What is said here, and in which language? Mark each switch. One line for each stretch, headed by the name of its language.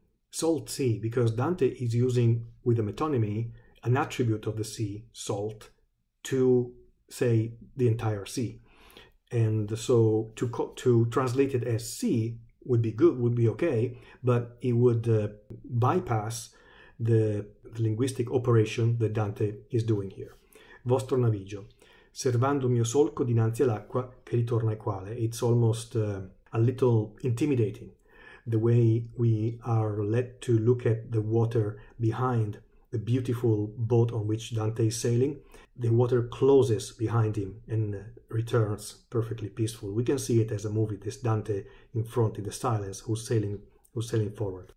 English: Salt sea, because Dante is using, with a metonymy, an attribute of the sea, salt, to say the entire sea. And so to translate it as sea would be good, would be okay, but it would bypass the linguistic operation that Dante is doing here.
Italian: Vostro navigio, servando mio solco dinanzi all'acqua che ritorna eguale.
English: It's almost a little intimidating, the way we are led to look at the water behind the beautiful boat on which Dante is sailing. The water closes behind him and returns perfectly peaceful. We can see it as a movie, this Dante in front in the silence who's sailing forward.